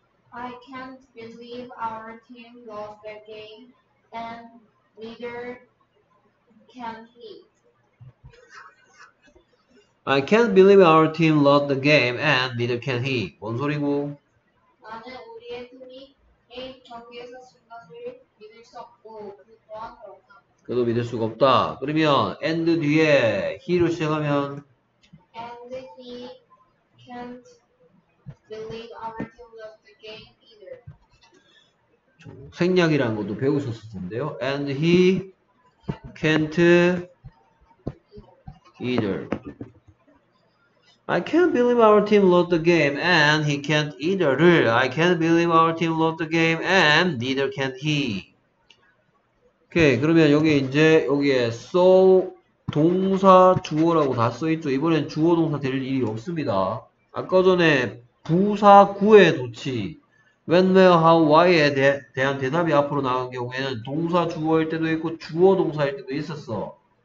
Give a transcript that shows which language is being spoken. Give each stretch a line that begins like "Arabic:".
English: I can't believe our team lost the game and neither can he. I can't believe our team lost the game and neither can he.
Korean: 뭔 소리고? 나는 우리의 팀이 게임 경기에서 진 것을 믿을 수 없고 그 또한 그렇다. 그래도 믿을 수가 없다. 그러면
English: and 뒤에 he로
Korean: 시작하면
English: and he can't believe our team lost the game either.
Korean: 생략이라는 것도 배우셨을 텐데요.
English: and he can't either. I can't believe our team lost the game and he can't either. I can't believe our team lost the game and neither can he.
Korean: 오케이, 그러면 여기 이제 여기에 so 동사 주어라고 다 써있죠. 이번엔 주어 동사 될 일이 없습니다. 아까 전에 부사 구의 도치 when, where, how, why에 대한 대답이 앞으로 나간 경우에는 동사 주어일 때도 있고 주어 동사일 때도 있었어.